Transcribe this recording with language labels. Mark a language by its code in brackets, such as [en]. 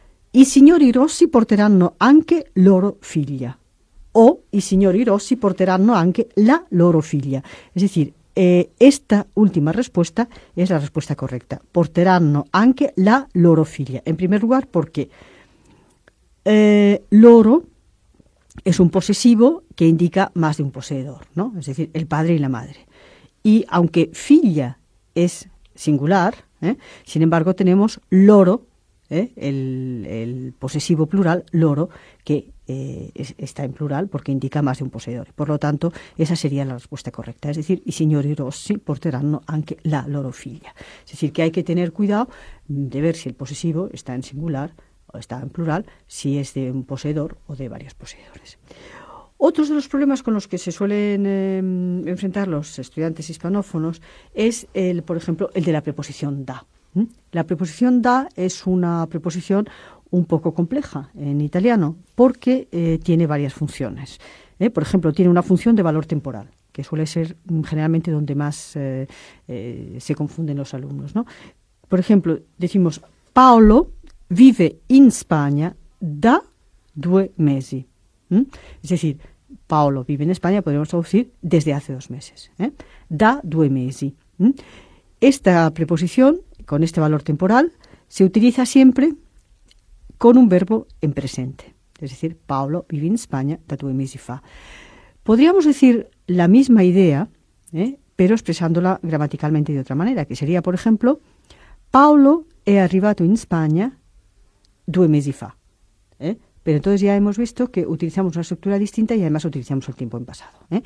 [it] I signori Rossi porteranno anche loro figlia. O i signori Rossi porteranno anche la loro figlia. [es] Es decir, esta última respuesta es la respuesta correcta: [it] porteranno anche la loro figlia. [es] En primer lugar, porque loro es un posesivo que indica más de un poseedor, ¿no? Es decir, el padre y la madre. Y aunque figlia es singular, sin embargo tenemos loro, el posesivo plural, loro, que está en plural porque indica más de un poseedor. Por lo tanto, esa sería la respuesta correcta. Es decir, [it] i signori Rossi porteranno anche la loro figlia. [es] Es decir, que hay que tener cuidado de ver si el posesivo está en singular está en plural, si es de un poseedor o de varios poseedores. Otros de los problemas con los que se suelen enfrentar los estudiantes hispanófonos es, por ejemplo, el de la preposición da. La preposición da es una preposición un poco compleja en italiano porque tiene varias funciones. Por ejemplo, tiene una función de valor temporal, que suele ser generalmente donde más se confunden los alumnos, ¿no? Por ejemplo, decimos [it] Paolo vive in Spagna da due mesi. [es] Es decir, Paolo vive en España, podríamos traducir, desde hace dos meses. [it] Da due mesi. [es] Esta preposición, con este valor temporal, se utiliza siempre con un verbo en presente. Es decir, [it] Paolo vive in Spagna da due mesi fa. [es] Podríamos decir la misma idea, pero expresándola gramaticalmente de otra manera, que sería, por ejemplo, [it] Paolo è arrivato in Spagna due mesi fa. [es] Pero entonces ya hemos visto que utilizamos una estructura distinta y además utilizamos el tiempo en pasado.